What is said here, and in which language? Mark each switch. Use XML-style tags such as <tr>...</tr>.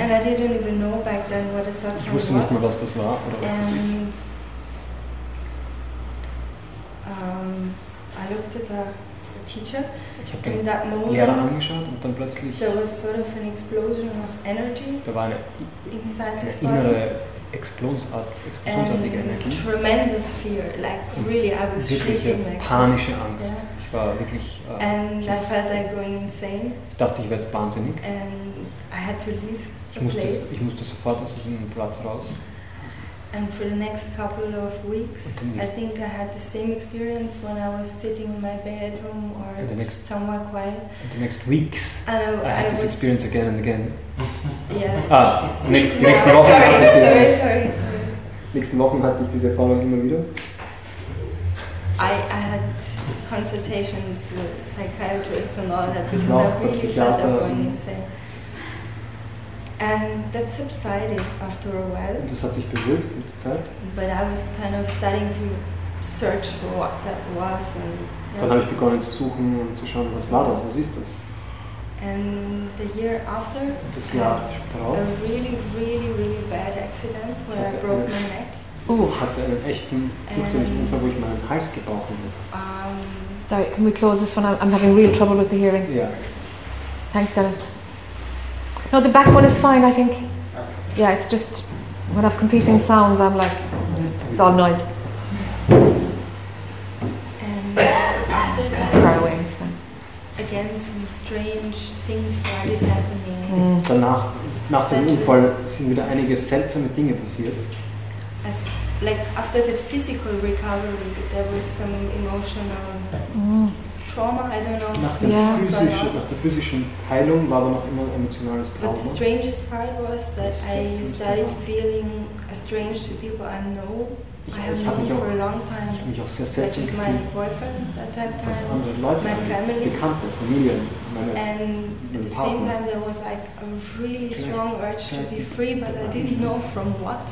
<en>And I didn't even know back then what a satsang was.</en> <de>Ich wusste nicht mal, was das war oder was</de> <en>and</en> <de>das ist.</de> <en>I looked at the teacher.</en> <de>Ich habe den Lehrer angeschaut und dann plötzlich.</de> <en>There was sort of an explosion of energy.</en> <de>Da war eine innere explosionsartige Energie.</de> <en>Tremendous fear, like really, I was shaking like</en> <de>panische Angst. Yeah. War wirklich,</de> <en>and I felt like going insane.</en> <de>Dachte ich, wäre jetzt wahnsinnig.</de> <en>And I had to leave the</en> <de>place. Ich musste sofort aus diesem Platz raus.</de> <en>And for the next couple of weeks, I think I had the same experience when I was sitting in my bedroom or just somewhere quiet. And the next weeks, and I had this experience again and again. Yeah.</en> <de>Nächsten Wochen hatte ich diese Erfahrung immer wieder.</de> <en>I had consultations with psychiatrists and all that because I really felt I'm going insane. And that subsided after a while.</en> <de>Das hat sich beruhigt mit der Zeit.</de> <en>But I was kind of starting to search for what that was. And, yeah.</en> <de>Dann habe ich begonnen zu suchen und zu schauen, was war das, was ist das?</de> <en>And the year after,</en> <de>das Jahr darauf,</de> <en>a really, really, really bad accident where I broke my neck.</en> <de>Hatte einen echten fürchterlichen Unfall, wo ich meinen Hals gebrochen habe.</de> <en>Sorry, can we close this one? I'm having real trouble with the hearing. Yeah. Thanks, Dennis. No, the back one is fine, I think. Yeah, it's just when I have competing sounds, I'm like, it's all noise. And after that, far away, it's fine. Again, some strange things started happening. Mm.</en> <de>Danach, nach dem Unfall, sind wieder einige seltsame Dinge passiert.</de> <en>Like, after the physical recovery, there was some emotional</en> <de>Nach der physischen Heilung war aber noch immer ein emotionales Trauma.</de> <en>But the strangest part was that I started feeling strange to people I know.</en> <de>Ich habe mich auch sehr seltsam gefühlt.</de> <en>Such as my boyfriend at that time,</en> <de>andere Leute,</de> <en>my family.</en> <de>Bekannte, Familie,</de> <en>and at the same time there was like a really strong urge to be free, but I didn't know from what.</en>